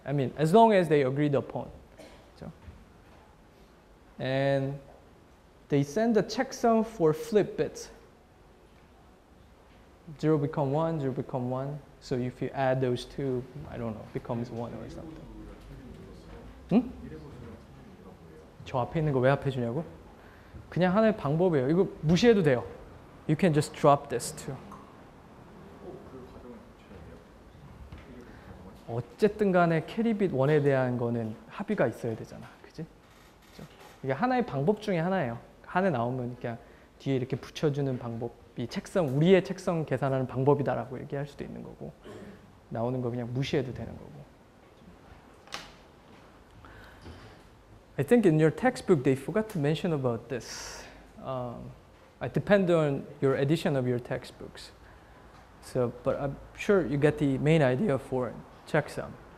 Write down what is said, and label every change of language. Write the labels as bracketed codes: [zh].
[en] I mean, as long as they agreed upon. So. And they send the checksum for flip bits. 0 become 1, 0 become 1. So if you add those two, I don't know, becomes 1 or something. [ko] 저 앞에 있는 거 왜 앞에 주냐고? 그냥 하나의 방법이에요. 이거 무시해도 돼요. [en] You can just drop this too. [ko] 어쨌든 간에 캐리빗 1에 대한 거는 합의가 있어야 되잖아. 그치? 이게 하나의 방법 중에 하나예요. 하나 나오면 그냥 뒤에 이렇게 붙여주는 방법. 이 책성, 우리의 책성 계산하는 방법이다라고 얘기할 수도 있는 거고 나오는 거 그냥 무시해도 되는 거고. [en] I think in your textbook they forgot to mention about this. I depend on your edition of your textbooks. So, but I'm sure you get the main idea for checksum.